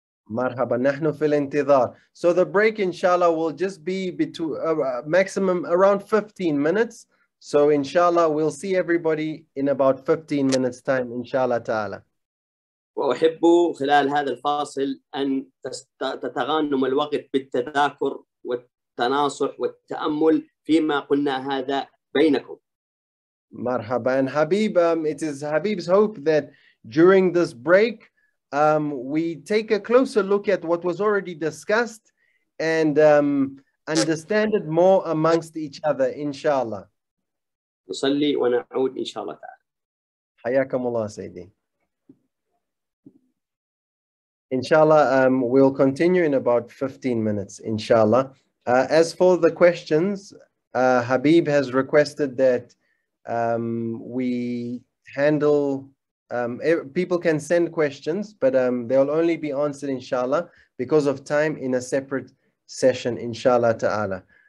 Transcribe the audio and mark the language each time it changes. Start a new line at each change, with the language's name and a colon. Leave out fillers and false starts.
Arabic: مرحبا, نحن في الانتظار.
English: So the break, inshallah, will just be between maximum around 15 minutes. So inshallah, we'll see everybody in about 15 minutes time, inshallah ta'ala.
Arabic: وأحب خلال هذا الفاصل أن تتغنم الوقت بالتذاكر والتناصح والتأمل فيما قلنا هذا بينكم. مرحبا.
English: And Habib, it is Habib's hope that during this break, we take a closer look at what was already discussed and understand it more amongst each other, inshallah.
Arabic: نصلي ونعود إن شاء الله تعالى. حياكم الله سيدي.
English: إن شاء الله, we'll continue in about 15 minutes, inshallah. As for the questions, Habib has requested that we handle, people can send questions, but they'll only be answered, inshallah, because of time, in a separate session, inshallah ta'ala.